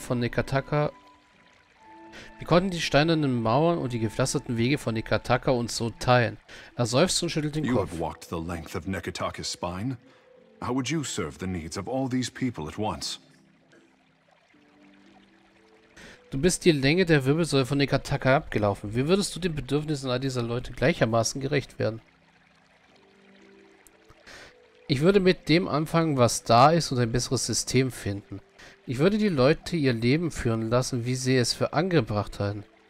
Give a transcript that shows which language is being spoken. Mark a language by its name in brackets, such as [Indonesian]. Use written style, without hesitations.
[German] Wir konnten die steinernen Mauern und die gepflasterten Wege von Nekataka uns so teilen. Er seufzt und schüttelt den Kopf. [English] You have walked the length of Nekataka's spine. How would you serve the needs of all these people at once? [German] Du bist die Länge der Wirbelsäule von Nekataka abgelaufen. Wie würdest du den Bedürfnissen all dieser Leute gleichermaßen gerecht werden? Ich würde mit dem anfangen, was da ist, und ein besseres System finden. Ich würde die Leute ihr Leben führen lassen, wie sie es für angebracht halten.